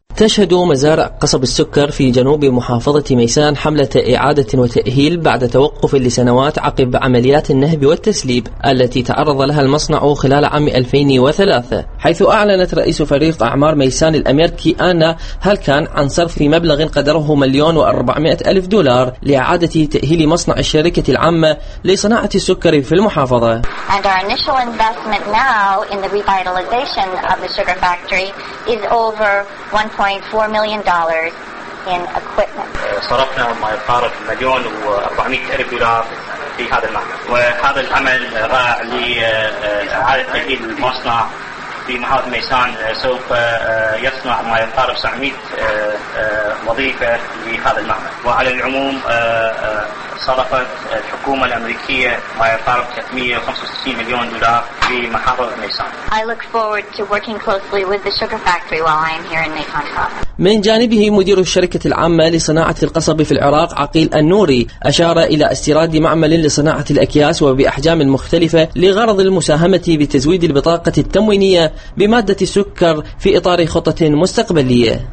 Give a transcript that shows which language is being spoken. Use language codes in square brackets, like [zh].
[ar] تشهد مزارع قصب السكر في جنوب محافظة ميسان حملة إعادة وتأهيل بعد توقف لسنوات عقب عمليات النهب والتسليب التي تعرض لها المصنع خلال عام 2003، حيث أعلنت رئيس فريق أعمار ميسان الأميركي آنا هالكان عن صرف مبلغ قدره 1,400,000 دولار لإعادة تأهيل مصنع الشركة العامة لصناعة السكر في المحافظة. [en] And our initial investment now in the revitalization of the sugar factory is over $1.4 million in equipment. [ar] صرفنا ما يقارب 1,400,000 دولار في هذا العمل، وهذا العمل رائع لإعادة تأهيل المصنع في محافظة ميسان، سوف يصنع ما يقارب 900 وظيفة في هذا العمل. وعلى العموم صرفت الحكومة الأمريكية ما يقارب 365 مليون دولار في محافظة ميسان. [en] I look forward to working closely with the sugar factory while I am here in Meysan. [ar] من جانبه مدير الشركة العامة لصناعة القصب في العراق عقيل النوري أشار إلى استيراد معمل لصناعة الأكياس وبأحجام مختلفة لغرض المساهمة بتزويد البطاقة التموينية بمادة السكر في إطار خطة مستقبلية.